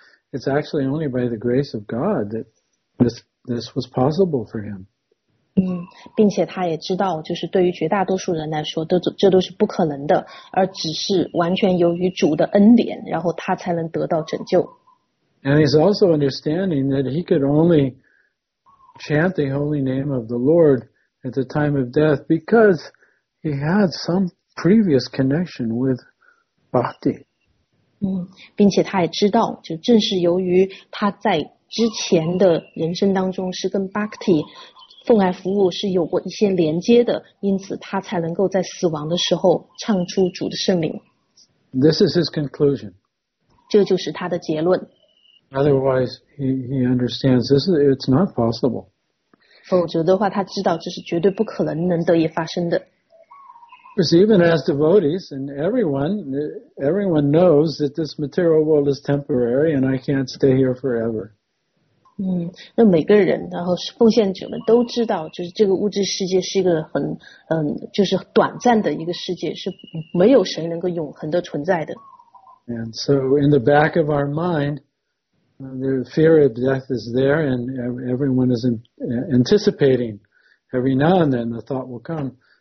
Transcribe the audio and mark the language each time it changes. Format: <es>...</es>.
<en>It's actually only by the grace of God that this was possible for him.</en> <zh>并且他也知道，就是对于绝大多数人来说，这都是不可能的，而只是完全由于主的恩典，然后他才能得到拯救。</zh> <en>And he's also understanding that he could only chant the holy name of the Lord at the time of death because he had some previous connection with Bhakti.</en> <zh>并且他也知道，就正是由于他在之前的人生当中是跟 Bhakti 奉爱服务是有过一些连接的，因此他才能够在死亡的时候唱出主的圣名。</zh> <en>This is his conclusion.</en> <zh>这就是他的结论。</zh> <en>Otherwise, he understands this is it's not possible.</en> <zh>否则的话，他知道这是绝对不可能能得以发生的。</zh> <en>Because even as devotees, and everyone knows that this material world is temporary, and I can't stay here forever.</en> <zh>那每个人，然后奉献者们都知道，就是这个物质世界是一个很就是短暂的一个世界，是没有谁能够永恒的存在的。</zh> <en>And so, in the back of our mind, the fear of death is there, and everyone is anticipating. Every now and then, the thought will come.</en>